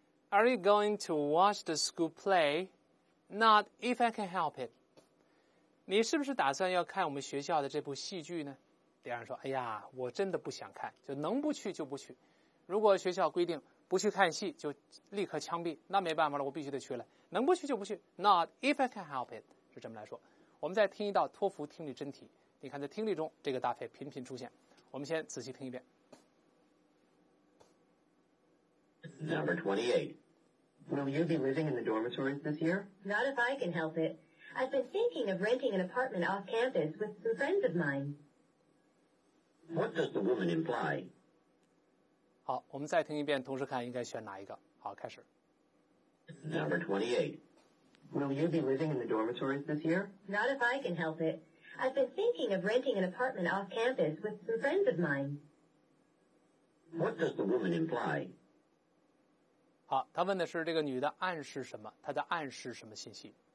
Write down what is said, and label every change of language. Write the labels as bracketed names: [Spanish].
[English] Are you going to watch the school play? Not if I can help it. [Chinese] 你是不是打算要看我们学校的这部戏剧呢？李二说，哎呀，我真的不想看，就能不去就不去。如果学校规定不去看戏就立刻枪毙，那没办法了，我必须得去了。能不去就不去。 [English] Not if I can help it， [Chinese] 是这么来说。我们再听一道托福听力真题，你看在听力中这个搭配频频出现。我们先仔细听一遍。 [English] Number 28. Will you be living in the dormitories this year? Not if I can help it. I've been thinking of renting an apartment off campus with some friends of mine. What does the woman imply? [Chinese] 好，我们再听一遍，同时看应该选哪一个。好，开始。 [English] Number 28. Will you be living in the dormitories this year? Not if I can help it. I've been thinking of renting an apartment off campus with some friends of mine. What does the woman imply? [Chinese] 好，他问的是这个女的暗示什么，她在暗示什么信息。